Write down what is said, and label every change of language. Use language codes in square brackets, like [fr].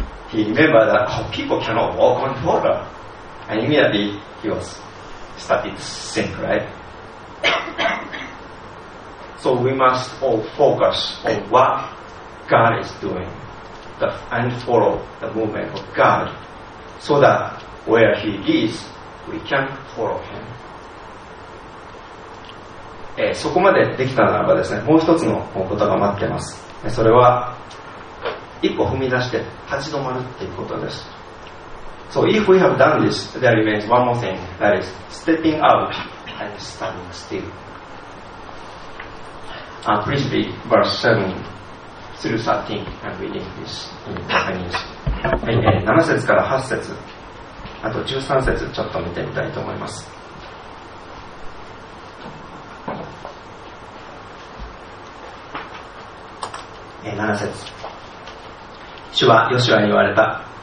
[en] He remembered that people cannot walk on water. And immediately he was started to sink, right? So we must all focus on what God is doing and follow the movement of God so that where He is, we can follow Him. [ja] そこまでできたならばですね、もう一つのことが待ってます。それは、一歩踏み出して立ち止まるということです。 [en] So if we have done this, there remains one more thing, that is stepping out and standing still. Please read verse 7 through 13 and reading this in Japanese. [ja] 7節から8節、あと13節ちょっと見てみたいと思います。 7節、主はヨシュアに言われた。